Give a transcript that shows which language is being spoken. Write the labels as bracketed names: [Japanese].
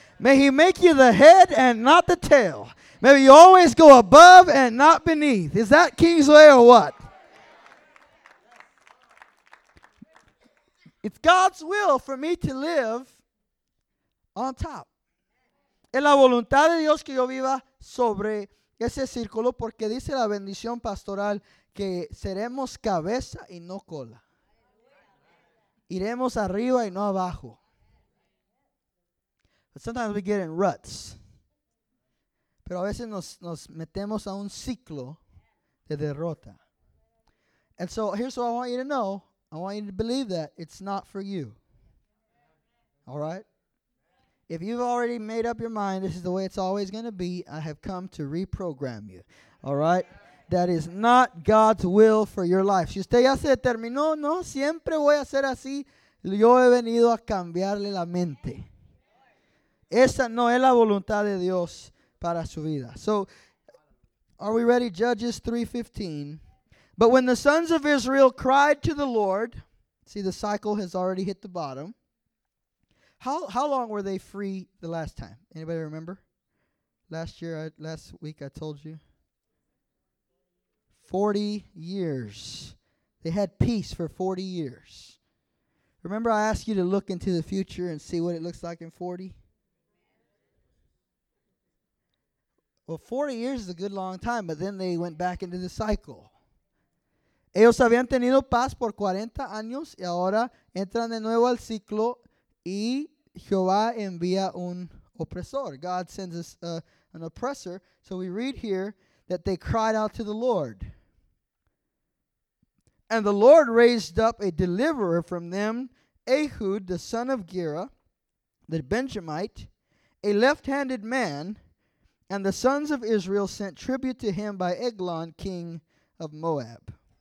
[English] May he make you the head and not the tail. May you always go above and not beneath. Is that King's way or what? It's God's will for me to live on top. [Spanish] Es la voluntad de Dios que yo viva sobre ese círculo, porque dice la bendición pastoral que seremos cabeza y no cola. Iremos arriba y no abajo. [English] But sometimes we get in ruts. [Spanish] Pero a veces nos metemos a un ciclo de derrota. [English] And so here's what I want you to know. I want you to believe that it's not for you. All right? If you've already made up your mind, this is the way it's always going to be, I have come to reprogram you. All right? That is not God's will for your life. [Spanish] Si usted ya se determinó, no, siempre voy a ser así. Yo he venido a cambiarle la mente. Esa no es la voluntad de Dios para su vida. [English] So, are we ready? Judges 3:15. But when the sons of Israel cried to the Lord, see, the cycle has already hit the bottom. How long were they free the last time? Anybody remember? Last week I told you. 40 years. They had peace for 40 years. Remember I asked you to look into the future and see what it looks like in 40? Well, 40 years is a good long time, but then they went back into the cycle. [Spanish] Ellos habían tenido paz por 40 años y ahora entran de nuevo al ciclo y Jehová envía un opresor. [English] God sends us an oppressor. So we read here that they cried out to the Lord. And the Lord raised up a deliverer from them, Ehud, the son of Gera, the Benjamite, a left-handed man, and the sons of Israel sent tribute to him by Eglon, king of Moab.